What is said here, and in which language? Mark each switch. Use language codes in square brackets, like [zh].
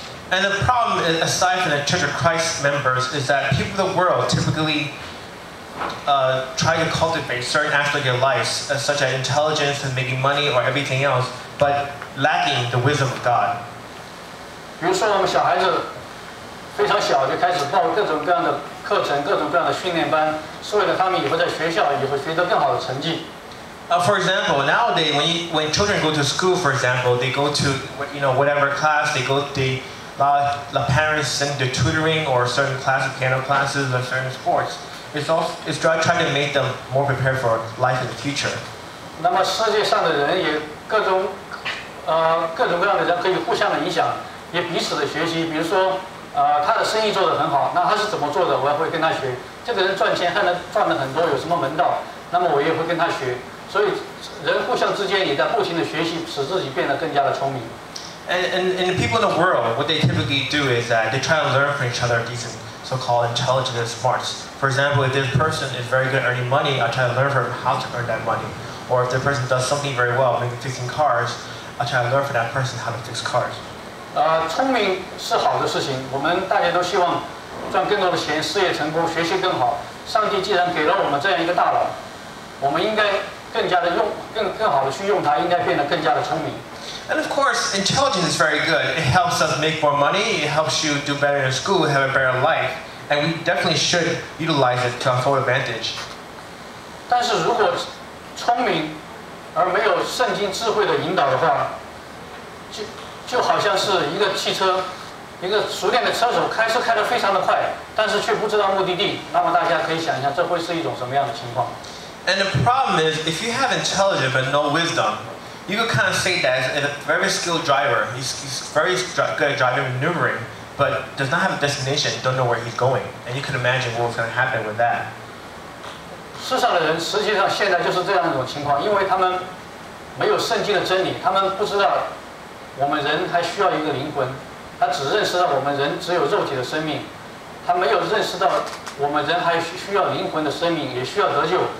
[en] And the problem, aside from the Church of Christ members, is that people of the world typically, try to cultivate certain aspects of their lives, such as intelligence and making money or everything else. But lacking the wisdom of God. [zh] 比如说，我们小孩子非常小就开始报各种各样的课程、各种各样的训练班，是为了他们以后在学校以后学得更好的成绩。 [en] For example, nowadays when children go to school, for example, they go to you know whatever class they go, the parents send the tutoring or certain class of piano classes or certain sports. It's trying to make them more prepared for life in the future. [zh] 那么世界上的人也各种各样的人可以互相的影响，也彼此的学习。比如说，他的生意做得很好，那他是怎么做的？我也会跟他学。这个人赚钱还能赚得很多，有什么门道？那么我也会跟他学。所以，人互相之间也在不停的学习，使自己变得更加的聪明。 [en] And people in the world, what they typically do is that they try to learn from each other these so-called intelligence smarts. For example, if this person is very good earning money, I try to learn from how to earn that money. Or if the person does something very well, maybe fixing cars, I try to learn from that person how to fix cars. [zh] 聪明是好的事情，我们大家都希望赚更多的钱，事业成功，学习更好。上帝既然给了我们这样一个大脑，我们应该更加的用，更好的去用它，应该变得更加的聪明。 [en] And of course, intelligence is very good. It helps us make more money. It helps you do better in school, have a better life. And we definitely should utilize it to our full advantage. [zh] 但是如果聪明而没有圣经智慧的引导的话，就好像是一个汽车一个熟练的车手开车开得非常的快，但是却不知道目的地，那么大家可以想一下，这会是一种什么样的情况？ [en] And the problem is, if you have intelligence but no wisdom, you could kind of say that as a very skilled driver, he's very good at driving maneuvering, but does not have a destination, don't know where he's going, and you could imagine what's going to happen with that. [zh] 世上的人实际上现在就是这样一种情况，因为他们没有圣经的真理，他们不知道我们人还需要一个灵魂。他只认识到我们人只有肉体的生命，他没有认识到我们人还需要灵魂的生命，也需要得救。